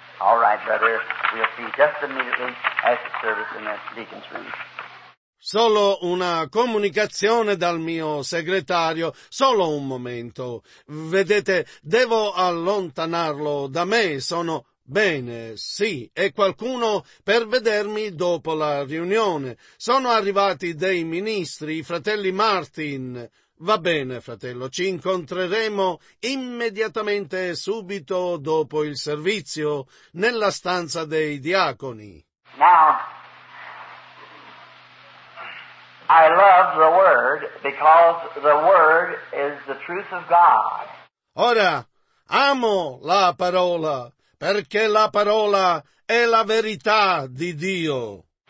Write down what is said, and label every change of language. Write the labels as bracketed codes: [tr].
[en] All right, brother, we'll see just immediately after the service in the deacon's room. [it] Solo una comunicazione dal mio segretario, solo un momento. Vedete, devo allontanarlo da me, sono... Bene, sì, e qualcuno per vedermi dopo la riunione. Sono arrivati dei ministri, i fratelli Martin. Va bene, fratello, ci incontreremo immediatamente subito dopo il servizio nella stanza dei diaconi. [en] Now, I love the word because the word is the truth of God. [it] Ora, amo la parola. Perché la parola è la verità di Dio.